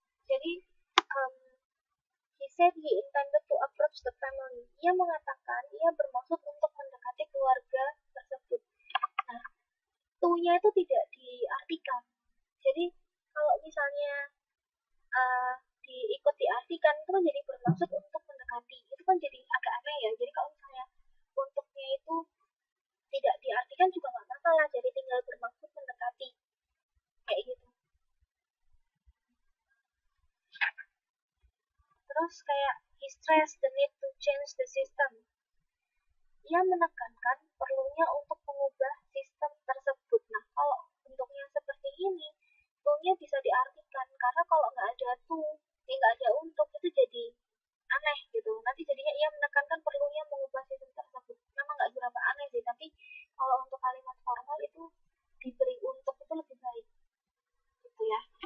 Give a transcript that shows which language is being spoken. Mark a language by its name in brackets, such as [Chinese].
[Indonesian] Jadi, [English] he said he intended to approach the family. [Indonesian] Ia mengatakan, ia bermaksud untuk mendekati keluarga tersebut. Nah, to-nya itu tidak diartikan. Jadi, kalau misalnya diikut diartikan, itu kan jadi bermaksud untuk mendekati. Itu kan jadi agak aneh ya. Jadi, kalau misalnya untuknya itu tidak diartikan juga nggak masalah. Jadi, tinggal bermaksud mendekati. Kayak gitu. Terus kayak, [English] he stressed the need to change the system. [Indonesian] Ia menekankan perlunya untuk mengubah sistem tersebut. Nah, kalau bentuknya seperti ini, to-nya bisa diartikan. Karena kalau nggak ada to, nggak ada untuk, itu jadi aneh gitu. Nanti jadinya ia menekankan perlunya mengubah sistem tersebut. Memang nggak berapa aneh sih, tapi kalau untuk kalimat formal itu diberi untuk itu lebih baik. Gitu ya.